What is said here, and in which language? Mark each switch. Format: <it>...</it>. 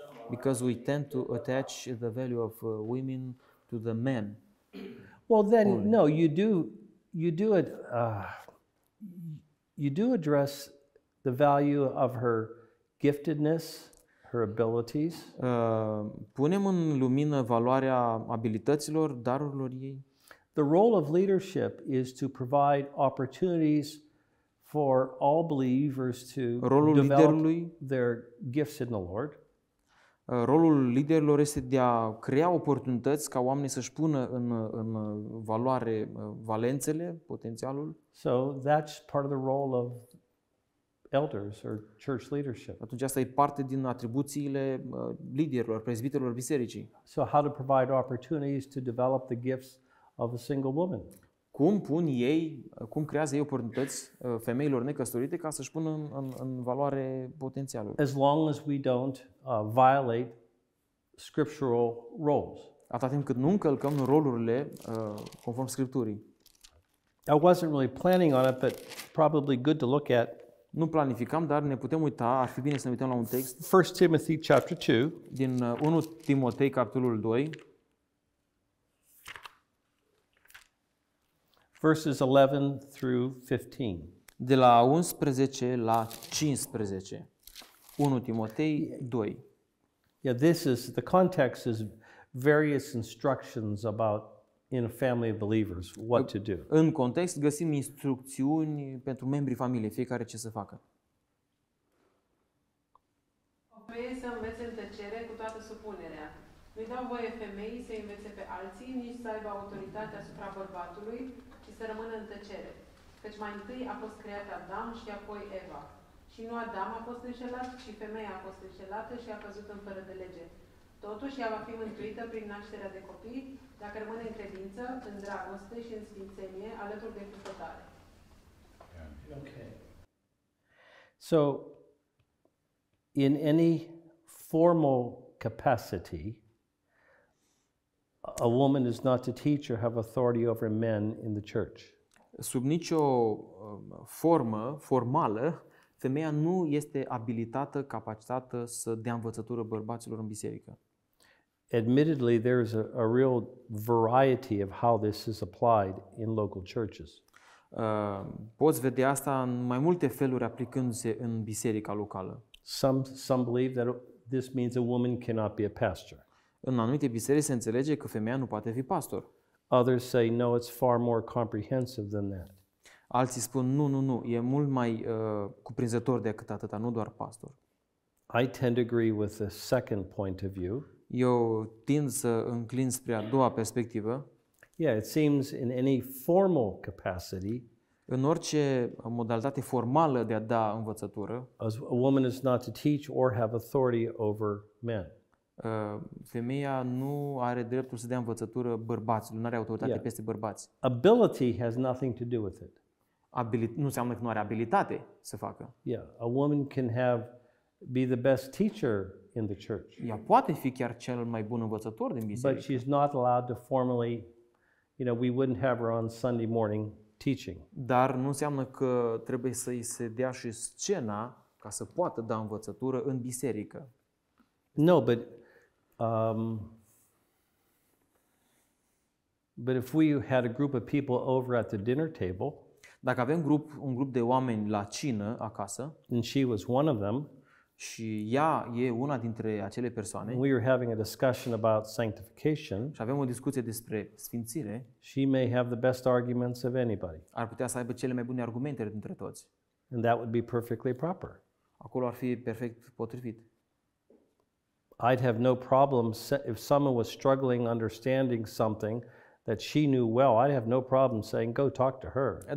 <en>Because we tend to attach the value of women to the men. Well, then, no, you do. You do it. You do address the value of her giftedness, her abilities.</en> <ro>Punem în lumină valoarea abilităților, darurilor ei.</ro> <en>The role of leadership is to provide opportunities for all believers to</en> <ro>rolul</ro> <en>develop</en> <ro>liderului,</ro> <en>their gifts in the Lord.</en> <ro>Rolul liderilor este de a crea oportunități ca oamenii să-și pună în valoare valențele, potențialul.</ro> <en>So that's part of the role of elders or church leadership.</en> <ro>Atunci asta e parte din atribuțiile liderilor, prezbiterilor bisericii.</ro> <en>So how to provide opportunities to develop the gifts of a single woman.</en> <ro>Cum pun ei, cum creează ei oportunități femeilor necăsătorite ca să-și pună în valoare potențialul?</ro> <en>As long as we don't violate scriptural roles.</en> <ro>Atât timp cât nu încălcăm rolurile conform Scripturii.</ro> <en>I wasn't really planning on it, but probably good to look at.</en> <ro>Nu planificam, dar ne putem uita, ar fi bine să ne uităm la un text.</ro> <en>1 Timothy chapter 2.</en> <ro>Din 1 Timotei capitolul 2.</ro> <en>Verses 11 through 15.</en> <ro>De la 11 la 15. 1 Timotei 2.</ro> <en>Yeah, this is the context is various instructions about in a family of believers what to do.</en> <ro>În context găsim instrucțiuni pentru membrii familiei, fiecare ce să facă. Femeii să învețe în tăcere cu toată supunerea. Nu-i dau voie femeii să învețe pe alții, nici să aibă autoritate asupra bărbatului. Să rămână în tăcere, căci mai întâi a fost creat Adam și apoi Eva. Și nu Adam a fost înșelat, ci femeia a fost înșelată și a căzut în fără de lege. Totuși, ea va fi mântuită prin nașterea de copii, dacă rămâne în credință, în dragoste și în sfințenie, alături de cuvântare.</ro> <en>Okay. So, in any formal capacity, a woman is not to teach or have authority over men in the church.</en> <ro>Sub nicio formă formală, femeia nu este abilitată, capacitată să dea învățătură bărbaților în biserică.</ro> <en>Admittedly, there is a real variety of how this is applied in local churches.</en> <ro>Poți vedea asta în mai multe feluri aplicându-se în biserica locală.</ro> <en>Some believe that this means a woman cannot be a pastor.</en> <ro>În anumite biserici se înțelege că femeia nu poate fi pastor.</ro> <en>Others say no, it's far more comprehensive than that.</en> <ro>Alții spun nu, e mult mai cuprinzător decât atât, nu doar pastor.</ro> <en>I tend to agree with the second point of view.</en> <ro>Eu tind să înclin spre a doua perspectivă.</ro> <en>Yeah, it seems in any formal capacity,</en> <ro>în orice modalitate formală de a da învățătură,</ro> <en>a woman is not to teach or have authority over men.</en> <ro>Femeia nu are dreptul să dea învățătură bărbaților, nu are autoritate peste bărbați.</ro> <en>Ability has nothing to do with it.</en> <ro>Nu înseamnă că nu are abilitate să facă.</ro> <en>Yeah, a woman can be the best teacher in the church.</en> <ro>Ea poate fi chiar cel mai bun învățător din biserică.</ro> <en>But she's not allowed to formally, you know, we wouldn't have her on Sunday morning teaching.</en> <ro>Dar nu înseamnă că trebuie să îi se dea și scena ca să poată da învățătură în biserică.</ro> <en>No, but if we had a group of people over at the dinner table,</en> <ro>dacă avem un grup de oameni la cină acasă,</ro> <en>and she was one of them,</en> <ro>și ea e una dintre acele persoane,</ro> <en>we were having a discussion about sanctification,</en> <ro>și avem o discuție despre sfințire,</ro> <en>she may have the best arguments of anybody.</en> <ro>Ar putea să aibă cele mai bune argumente dintre toți.</ro> <en>And that would be perfectly proper.</en> <ro>Acolo ar fi perfect potrivit.</ro> <en>I'd have no problem if someone was struggling understanding something that she knew well. I'd have no problem saying go talk to her.</en>